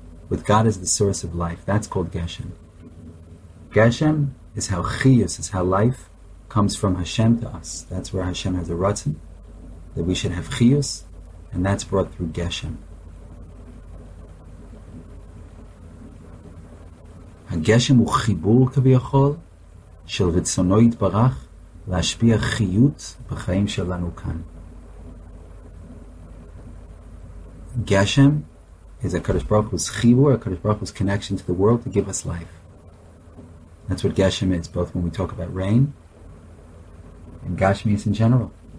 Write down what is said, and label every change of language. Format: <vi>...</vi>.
<en>With God is the source of life. That's called Geshem. Geshem is how Chiyus, is how life comes from Hashem to us. That's where Hashem has a Ratzon, that we should have Chiyus, and that's brought through Geshem.</en> <he>הגשם הוא חיבור כביכול של רצונו יתברך להשפיע חיות בחיים שלנו כאן.</he> <en>Geshem is a Kadosh Baruch Hu's chibur, a Kadosh Baruch Hu's connection to the world to give us life. That's what Geshem is, both when we talk about rain and Gashmius in general.</en>